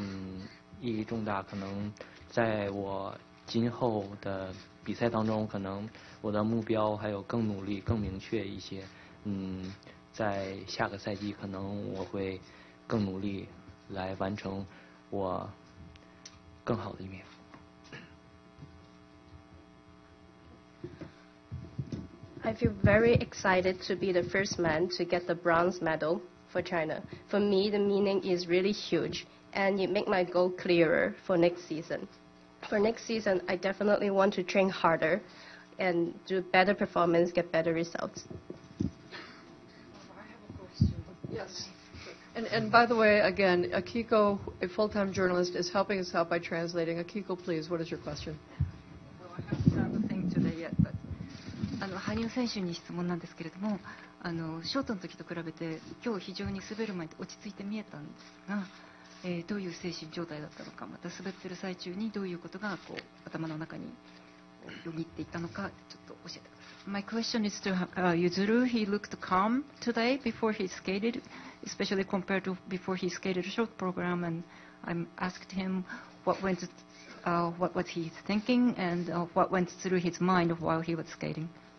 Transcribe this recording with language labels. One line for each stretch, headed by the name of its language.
Chinese: 就是很激动，可能作为中国男子单人滑的，在世锦赛的第一块铜牌，对于我来说，意义重大，可能在我。今后的比赛当中，可能我的目标还有更努力、更明确一些。在下个赛季，可能我会更努力来完成我更好的一面。
English: I feel very excited to be the first man to get the bronze medal for China. For me, the meaning is really huge, and it makes my goal clearer for next season. For next season, I definitely want to train harder and do better performance, get better results. I have a question. Yes. And by the way, again, Akiko, a full-time journalist, is helping us out by translating. Akiko, please, what is your question? Well, I have to have a thing.
Japanese: 羽生選手に質問なんですけれども、ショートの時と比べて今日非常に滑る前に落ち着いて見えたんですが、どういう精神状態だったのか、また滑ってる最中にどういうことがこう頭の中によぎっていたのか、ちょっと教えてください。
English: My question is to Yuzuru. He looked calm today before he skated, especially compared to before he skated a short program, and I asked him what was he thinking and what went through his mind while he was skating.